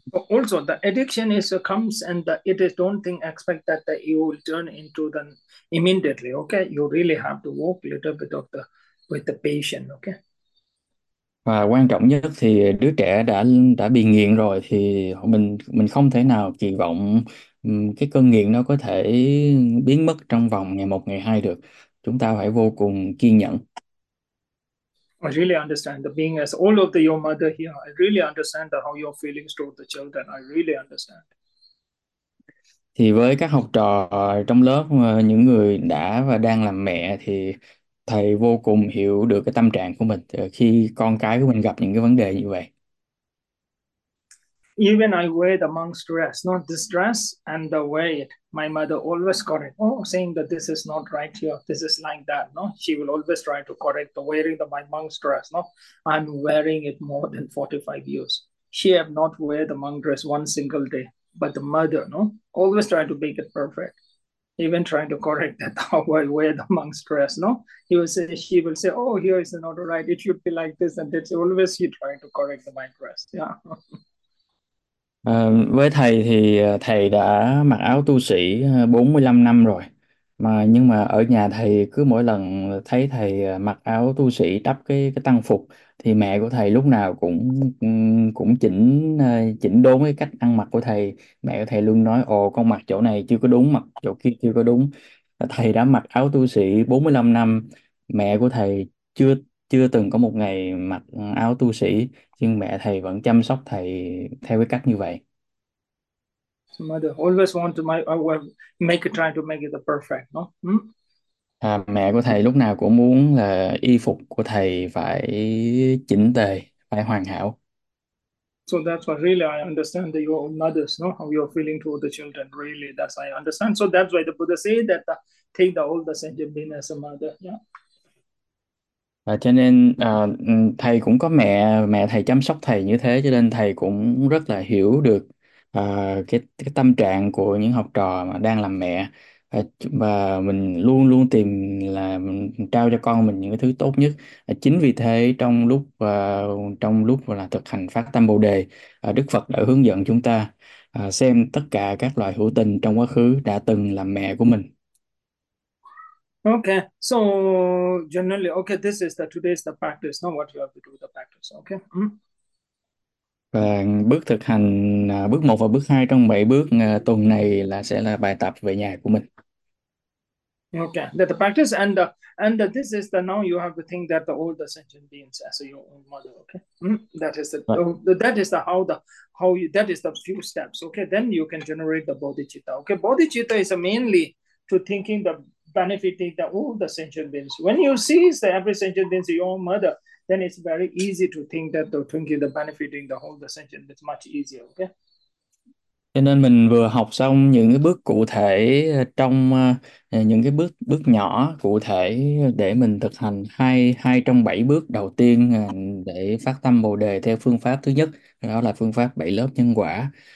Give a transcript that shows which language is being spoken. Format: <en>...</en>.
<en>Also, the addiction is comes and it is don't think expect that, that you will turn into them immediately. Okay, you really have to work a little bit of the with the patient. Okay.</en> <vi>Và quan trọng nhất thì đứa trẻ đã bị nghiện rồi thì mình không thể nào kỳ vọng cái cơn nghiện nó có thể biến mất trong vòng ngày một ngày hai được. Chúng ta phải vô cùng kiên nhẫn.</vi> <en>I really understand the being as all of the your mother here. I really understand the how your feelings toward the children. I really understand.</en> <vi>Thì với các học trò trong lớp, những người đã và đang làm mẹ thì thầy vô cùng hiểu được cái tâm trạng của mình khi con cái của mình gặp những cái vấn đề như vậy.</vi> <en>Even I wear the monk's dress, not this dress and the way my mother always correct. Oh, saying that this is not right here, this is like that. No, she will always try to correct the wearing of my monk's dress. No, I'm wearing it more than 45 years. She have not wear the monk dress one single day, but the mother, no, always trying to make it perfect, even trying to correct that how I wear the monk's dress. No, he will say, she will say, oh, here is not right, it should be like this, and it's always she trying to correct the monk dress. Yeah.</en> <vi>Với thầy thì thầy đã mặc áo tu sĩ 45 năm rồi. Nhưng mà ở nhà thầy cứ mỗi lần thấy thầy mặc áo tu sĩ đắp cái tăng phục thì mẹ của thầy lúc nào cũng cũng chỉnh chỉnh đốn cái cách ăn mặc của thầy. Mẹ của thầy luôn nói: "Ồ, con mặc chỗ này chưa có đúng, mặc chỗ kia chưa có đúng." Thầy đã mặc áo tu sĩ 45 năm, mẹ của thầy chưa chưa từng có một ngày mặc áo tu sĩ, nhưng mẹ thầy vẫn chăm sóc thầy theo cái cách như vậy.</vi> <en>Mother always want to my make it try to make it the perfect, no?</en> <vi>À, mẹ của thầy lúc nào cũng muốn là y phục của thầy phải chỉnh tề, phải hoàn hảo.</vi> <en>So that's what really I understand that your mothers, no, how you're feeling toward the children. Really, that's I understand. So that's why the Buddha say that take the oldest and you've been as a mother, yeah.</en> <vi>Cho nên thầy cũng có mẹ mẹ thầy chăm sóc thầy như thế, cho nên thầy cũng rất là hiểu được cái tâm trạng của những học trò mà đang làm mẹ, và mình luôn luôn tìm là mình trao cho con mình những cái thứ tốt nhất. Chính vì thế trong lúc là thực hành phát tâm Bồ đề, Đức Phật đã hướng dẫn chúng ta xem tất cả các loại hữu tình trong quá khứ đã từng làm mẹ của mình.</vi> <en>Okay, so generally, okay, this is the today's the practice, not what you have to do the practice, okay?</en> <vi>Và bước thực hành bước 1 và bước 2 trong 7 bước tuần này là sẽ là bài tập về nhà của mình.</vi> <en>Okay, that the practice and this is the now you have to think that the all the sentient beings as your own mother, okay? That is the how the how you that is the few steps, okay? Then you can generate the bodhicitta, okay? Bodhicitta is mainly to thinking the benefiting the all the sentient beings. When you see the every sentient beings your mother, then it's very easy to think that the thinking the benefiting the whole the sentient beings much easier, okay?</en> <vi>Cho nên mình vừa học xong những cái bước cụ thể trong những cái bước bước nhỏ cụ thể để mình thực hành hai hai trong 7 bước đầu tiên để phát tâm Bồ đề theo phương pháp thứ nhất, đó là phương pháp 7 lớp nhân quả.</vi>